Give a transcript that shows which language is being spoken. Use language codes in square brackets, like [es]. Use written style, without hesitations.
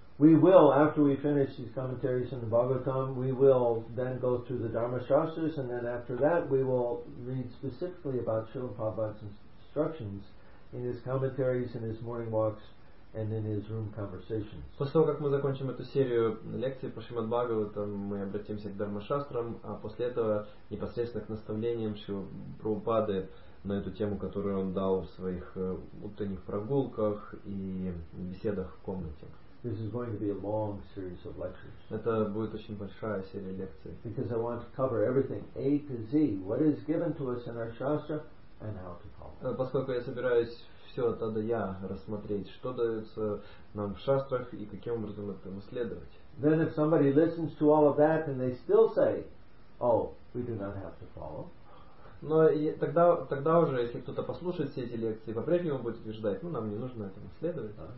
[en] We will, after we finish these commentaries in the Bhagavatam, we will then go through the Dharma Shastras, and then after that we will read specifically about Srila Prabhupada's instructions in his commentaries, in his morning walks, and in his room conversations. [ru] После того, как мы закончим эту серию лекций по Шримад Бхагаватам, мы обратимся к Дарма Шастрам, а после этого непосредственно к наставлениям Шрила Прабхупады на эту тему, которую он дал в своих утренних прогулках и беседах в комнате. [en] This is going to be a long series of lectures. [ru] Это будет очень большая серия лекций. [en] Because I want to cover everything A to Z, what is given to us in our shastra and how to follow. [ru] Поскольку я собираюсь все от А до Я рассмотреть, что дается нам в шастрах и каким образом это исследовать. [en] Then if somebody listens to all of that and they still say, oh, we do not have to follow. [ru] Но тогда уже, если кто-то послушает все эти лекции, по-прежнему будет утверждать, ну, нам не нужно этому следовать.